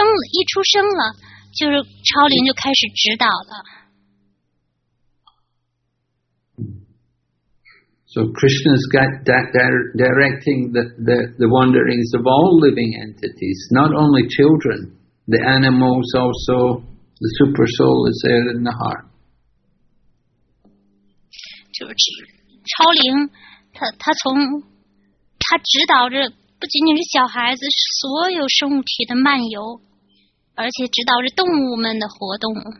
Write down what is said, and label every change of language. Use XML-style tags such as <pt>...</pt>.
<zh>一出生了，就是超灵就开始指导了。</zh> <en>So Krishna's got directing the wanderings of all living entities, not only children, the animals also, the super soul is there in the heart.</en> <zh>就是超灵，他从他指导着不仅仅是小孩子，是所有生物体的漫游，而且指导着动物们的活动。</zh>